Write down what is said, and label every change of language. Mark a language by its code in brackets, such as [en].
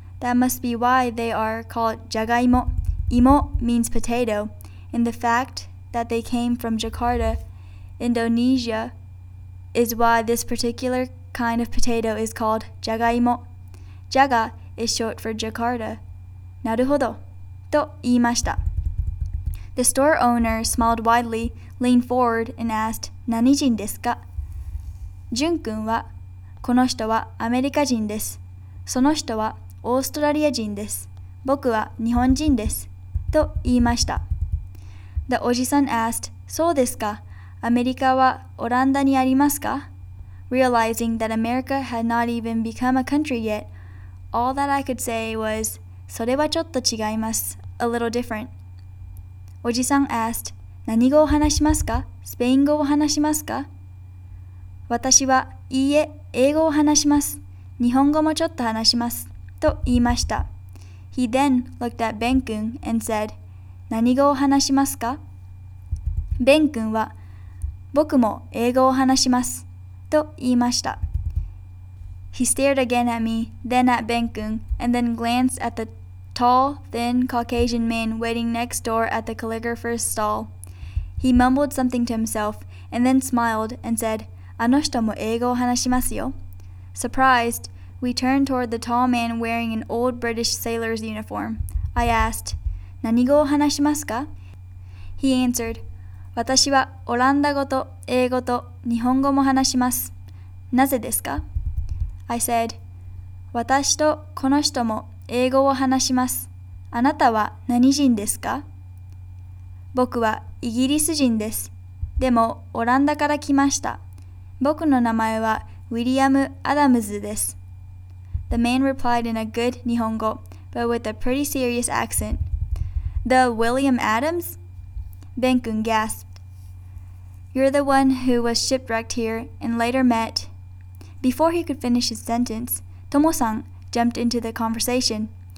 [en] That must be why they are called じゃがいも。 芋 means potato, and the fact that they came from Jakarta, Indonesia, is why this particular kind of potato is called じゃがいも。じゃが is short for Jakarta. [ja] なるほど、と言いました。 [en] The store owner smiled widely, leaned forward, and asked, [ja] 何人ですか? ジュン君は、この人はアメリカ人です。その人はオーストラリア人です。僕は日本人です。と言いました。 [en] The おじさん asked, [ja] そうですか? アメリカはオランダにありますか? [en] Realizing that America had not even become a country yet, all that I could say was, [ja] それはちょっと違います。 [en] A little different. [ja] おじさん asked, 何語を話しますか? スペイン語を話しますか? 私は、いいえ、英語を話します。日本語もちょっと話します。と言いました。 [en] He then looked at Ben-kun and said, [ja] 何語を話しますか? Ben-kun は、僕も英語を話します。と言いました。 [en] He stared again at me, then at Ben-kun, and then glanced at the tall, thin, Caucasian man waiting next door at the calligrapher's stall. He mumbled something to himself and then smiled and said, [ja] あの人も英語を話しますよ。 [en] Surprised, we turned toward the tall man wearing an old British sailor's uniform. I asked, [ja] 何語を話しますか? [en] He answered, [ja] 私はオランダ語と英語と日本語も話します。なぜですか? [en] I said, [ja] 私とこの人も英語を話します。あなたは何人ですか? 僕はイギリス人です。でもオランダから来ました。僕の名前はウィリアム・アダムズです。 [en] The man replied in a good 日本語, but with a pretty serious accent. The William Adams? Ben-kun gasped. You're the one who was shipwrecked here and later met. Before he could finish his sentence, Tomo-san,jumped into the conversation.